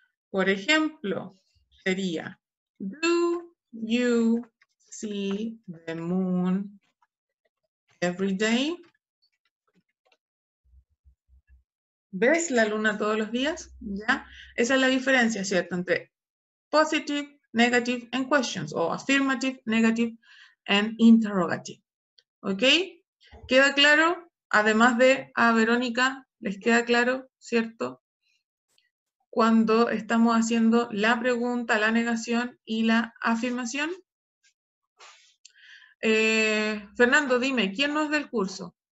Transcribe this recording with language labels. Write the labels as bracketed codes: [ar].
[es] Por ejemplo, sería, [en] do you see the moon every day? [es] ¿Ves la luna todos los días? ¿Ya? Esa es la diferencia, ¿cierto? [en] Entre positive, negative, and questions, o affirmative, negative, and interrogative. [es] ¿Ok? ¿Queda claro? Además de a Verónica, ¿les queda claro, cierto? Cuando estamos haciendo la pregunta, la negación y la afirmación. Fernando, dime, ¿quién no es del curso?